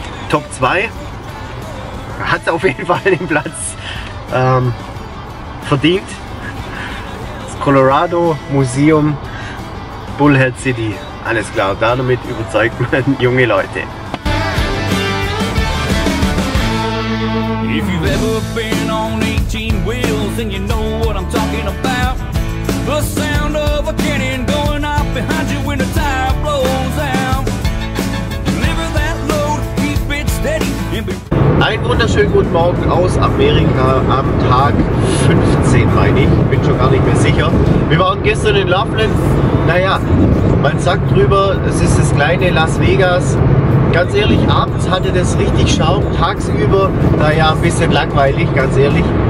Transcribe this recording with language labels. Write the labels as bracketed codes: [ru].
[de] Top 2 hat auf jeden Fall den Platz verdient. Das Colorado Museum Bullhead City. Alles klar, damit überzeugt man junge Leute. [en] If you've ever been on 18 wheels, then you know what I'm talking about. The sound of a cannon going off behind you when the tire blows out. Deliver that load, keep it steady. [de] Einen wunderschönen guten Morgen aus Amerika am Tag 15, meine ich. Bin schon gar nicht mehr sicher. Wir waren gestern in Loveland. Naja, man sagt drüber, es ist das kleine Las Vegas. Ganz ehrlich, abends hatte das richtig Charme, tagsüber, naja, ein bisschen langweilig, ganz ehrlich.